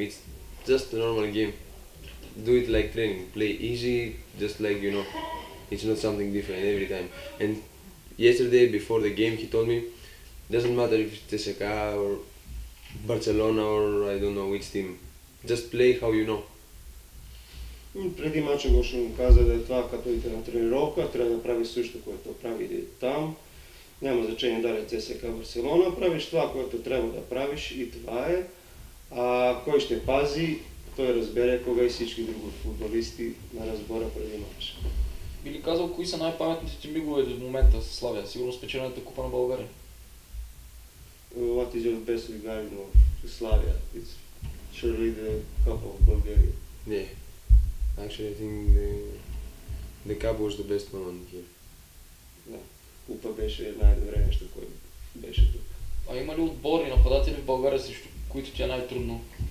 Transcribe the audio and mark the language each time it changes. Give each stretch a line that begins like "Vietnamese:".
English: It's just a normal game. Do it like training, play easy, just like, you know. It's not something different every time. And yesterday before the game he told me, doesn't matter if it's CSK or Barcelona or I don't know which team. Just play how you know.
Bulgarian: Преди мача го ще му каза да е това като идете на тренировка, трябва да прави също, което прави и там. Няма значение дали CSK Барселона, правиш това, което трябва да правиш и това е. А кой ще пази, той разбере кога и всички други футболисти на разбора преди мача. Би ли казал кои са най-паметните ти мигове до момента с Славия? Сигурно спечелената купа на България.
English: What is your best regard of Славия? It's surely the cup of Bulgaria. Yeah. Actually, I think the cup was the best moment here.
Bulgarian: Да. Купа беше най-добре нещо, което беше тук. А има ли отбори, нападатели в България, срещу които ти е най-трудно?